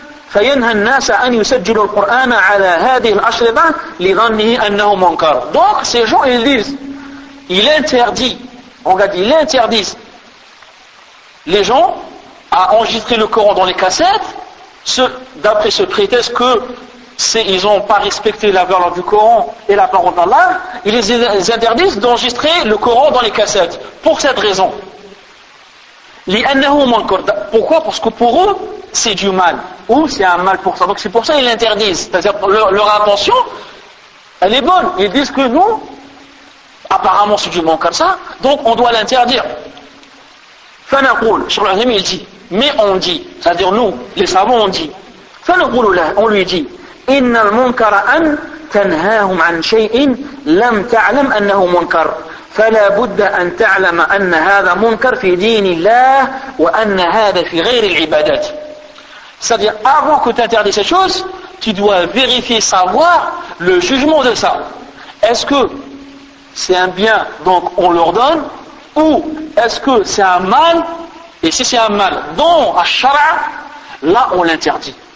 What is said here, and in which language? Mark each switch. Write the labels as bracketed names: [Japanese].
[Arabic] فينهى الناس أن يسجلوا القرآن على هذه الأشرطة لظنه أنه منكر. [French] Donc ces gens ils disent, il interdit, regardez, ils interdisent les gens à enregistrer le Coran dans les cassettes, d'après ce prétexte que c'est, ils n'ont pas respecté la valeur du Coran et la parole d'Allah, ils interdisent d'enregistrer le Coran dans les cassettes. Pour cette raison. [Arabic] لأنه منكر. [French] Pourquoi? Parce que pour eux, c'est du mal. Ou c'est un mal pour ça. Donc c'est pour ça qu'ils l'interdisent. C'est-à-dire leur intention, elle est bonne. Ils disent que nous, apparemment c'est du mal comme ça, donc on doit l'interdire. Fanaqul, sur le même, il dit, mais on dit, c'est-à-dire nous, les savants, on dit. [Arabic] Fanaqul, [French] on lui dit, [Arabic] إِنَّ الْمُنْكَرَ أَنْ تَنْهَاهُمْ عَنْ شَيْءٍ لَمْ تَعْلَمْ أَنَّهُ مُنْكَرَ فلا بد ان تعلم ان هذا منكر في دين الله وان هذا في غير العبادات. [French] C'est-à-dire, avant que tu interdis cette chose, tu dois vérifier, savoir le jugement de ça. Est-ce que c'est un bien, donc on leur donne, ou est-ce que c'est un mal, et si c'est un mal dont à Shara, là on l'interdit.